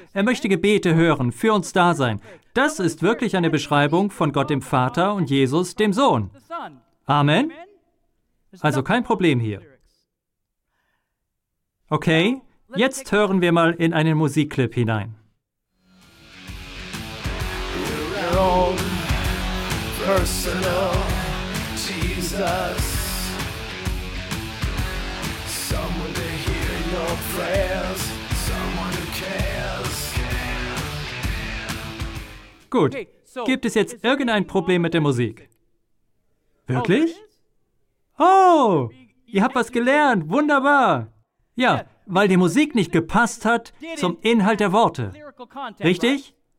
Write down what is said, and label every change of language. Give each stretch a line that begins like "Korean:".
German: Er möchte Gebete hören, für uns da sein. Das ist wirklich eine Beschreibung von Gott dem Vater und Jesus dem Sohn. Amen? Also kein Problem hier. Okay, jetzt hören wir mal in einen Musikclip hinein.
English: Personal Jesus, someone to hear your prayers, someone who cares.
German: Gut, gibt es jetzt irgendein Problem mit der Musik? Wirklich? Oh, ihr habt was gelernt, wunderbar. Ja, weil die Musik nicht gepasst hat zum Inhalt der Worte. Richtig?